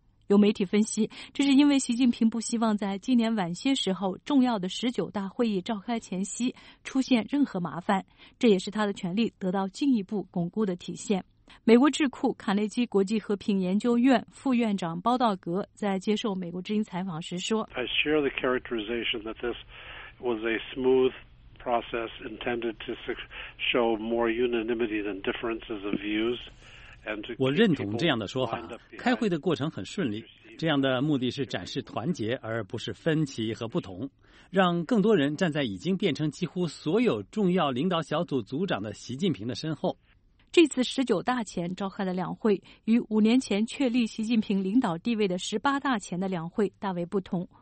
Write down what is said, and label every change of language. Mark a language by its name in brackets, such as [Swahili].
[Chinese] 有媒体分析，这是因为习近平不希望在今年晚些时候重要的十九大会议召开前夕出现任何麻烦，这也是他的权力得到进一步巩固的体现。美国智库卡内基国际和平研究院副院长包道格在接受美国之音采访时说， [English] I share the characterization that this was a smooth process intended to show more unanimity than differences of views. [Chinese] 我认同这样的说法，开会的过程很顺利，这样的目的是展示团结而不是分歧和不同，让更多人站在已经变成几乎所有重要领导小组组长的习近平的身后。这次十九大前召开的两会与五年前确立习近平领导地位的十八大前的两会大为不同。